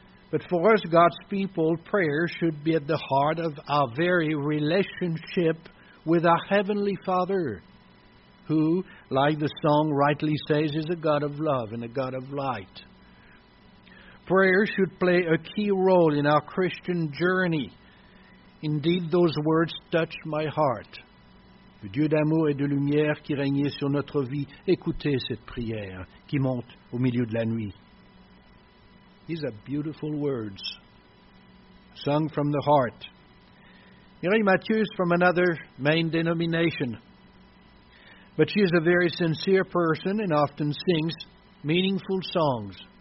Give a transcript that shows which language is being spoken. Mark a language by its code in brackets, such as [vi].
[en] But for us, God's people, prayer should be at the heart of our very relationship with our Heavenly Father, who, like the song rightly says, is a God of love and a God of light. Prayer should play a key role in our Christian journey. Indeed, those words touch my heart. [fr] Dieu d'amour et de lumière qui régnait sur notre vie, écoutez cette prière qui monte au milieu de la nuit. [en] These are beautiful words, sung from the heart. Mireille Mathieu is from another main denomination, but she is a very sincere person and often sings meaningful songs.